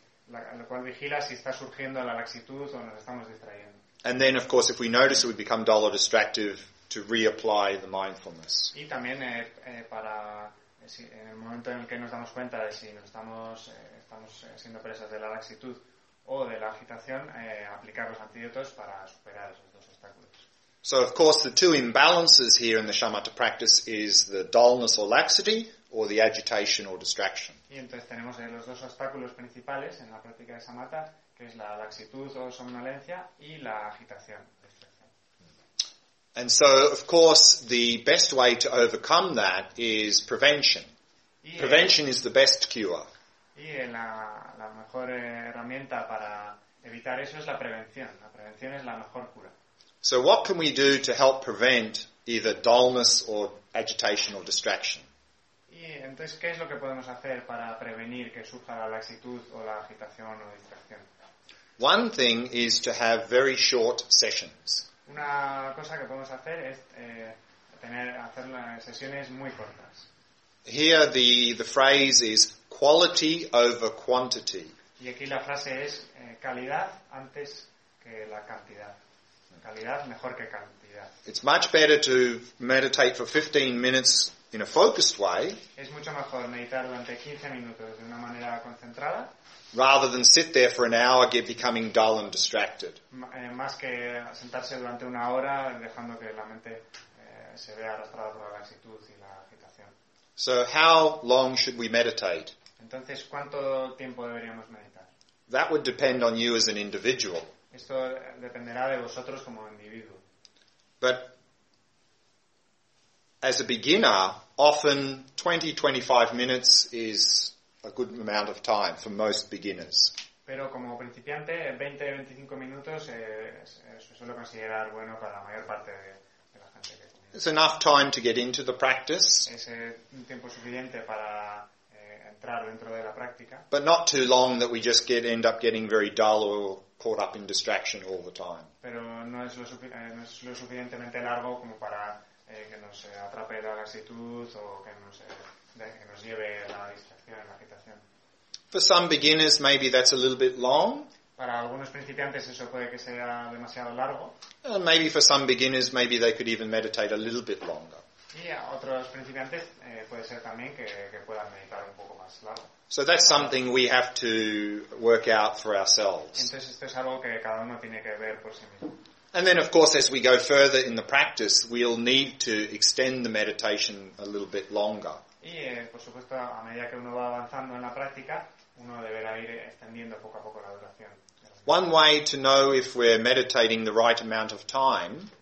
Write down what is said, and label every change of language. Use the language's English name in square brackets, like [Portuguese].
[Spanish] Lo cual vigila si está surgiendo la laxitud o nos estamos distrayendo. [English] And then, of course, if we notice we become dull or distracted, to reapply the mindfulness. [Spanish] Y también para si, en el momento en el que nos damos cuenta de si nos estamos siendo presas de la laxitud o de la agitación, aplicar los antídotos para superar esos dos obstáculos. [English] So, of course, the two imbalances here in the shamatha practice is the dullness or laxity, or the agitation or distraction. [Spanish] Y entonces tenemos los dos obstáculos principales en la práctica de shamatha, que es la laxitud o somnolencia, y la agitación. [English] And so, of course, the best way to overcome that is prevention. Prevention is the best cure. [Spanish] Y la mejor herramienta para evitar eso es la prevención. La prevención es la mejor cura. [English] So what can we do to help prevent either dullness or agitation or distraction? [Spanish] Y entonces, ¿qué es lo que podemos hacer para prevenir que surja la laxitud o la agitación o distracción? [English] One thing is to have very short sessions. [Spanish] Una cosa que podemos hacer es hacer sesiones muy cortas. [English] Here the phrase is quality over quantity. [Spanish] Y aquí la frase es calidad antes que la cantidad. Calidad mejor que cantidad. [English] It's much better to meditate for 15 minutes in a focused way. [Spanish] Es mucho mejor meditar durante 15 minutos de una manera concentrada. [English] Rather than sit there for an hour, get becoming dull and distracted. [Spanish] Más que sentarse durante una hora dejando que la mente se vea arrastrada por la laxitud y la agitación. [English] So how long should we meditate? [Spanish] Entonces, ¿cuánto tiempo deberíamos meditar? [English] That would depend on you as an individual. [Spanish] Esto dependerá de vosotros como individuo. [English] But as a beginner, often 20-25 minutes is a good amount of time for most beginners. [Spanish] Pero como principiante, 20-25 minutos se suele considerar bueno para la mayor parte de la gente que comienza. [English] It's enough time to get into the practice. [Spanish] Es un tiempo suficiente para entrar dentro de la práctica. [English] But not too long that we just end up getting very dull or caught up in distraction all the time. [Spanish] Pero no es lo suficientemente largo como para que nos atrape la laxitud o que nos lleve la distracción, la agitación. [English] For some beginners, maybe that's a little bit long. [Spanish] Para algunos principiantes eso puede que sea demasiado largo. [English] And maybe for some beginners, maybe they could even meditate a little bit longer. [Spanish] Y a otros principiantes puede ser también que puedan meditar un poco más largo. [English] So that's something we have to work out for ourselves. [Spanish] Entonces esto es algo que cada uno tiene que ver por sí mismo. [English] And then, of course, as we go further in the practice, we'll need to extend the meditation a little bit longer. [Spanish] Y, por supuesto, a medida que uno va avanzando en la práctica, uno deberá ir extendiendo poco a poco la duración. [English] One way to know if we're meditating the right amount of time.